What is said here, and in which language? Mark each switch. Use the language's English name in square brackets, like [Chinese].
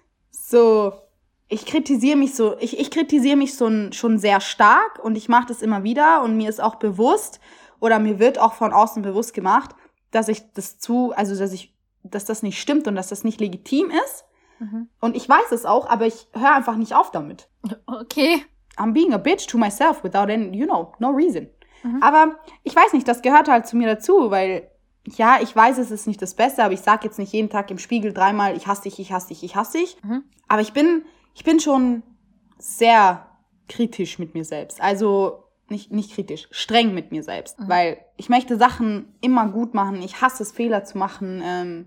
[German] So, ich kritisiere mich schon sehr stark und ich mache das immer wieder und mir ist auch bewusst oder mir wird auch von außen bewusst gemacht, dass ich das dass das nicht stimmt und dass das nicht legitim ist. Mhm. Und ich weiß es auch, aber ich höre einfach nicht auf damit. Okay. [English] I'm being a bitch to myself without any, you know, no reason. [German] Aber ich weiß nicht, das gehört halt zu mir dazu, weil, ja, ich weiß, es ist nicht das Beste, aber ich sag jetzt nicht jeden Tag im Spiegel 3-mal, ich hasse dich, ich hasse dich, ich hasse dich. Mhm. Aber ich bin schon sehr kritisch mit mir selbst. Also nicht kritisch, streng mit mir selbst. Mhm. Weil ich möchte Sachen immer gut machen, ich hasse es, Fehler zu machen.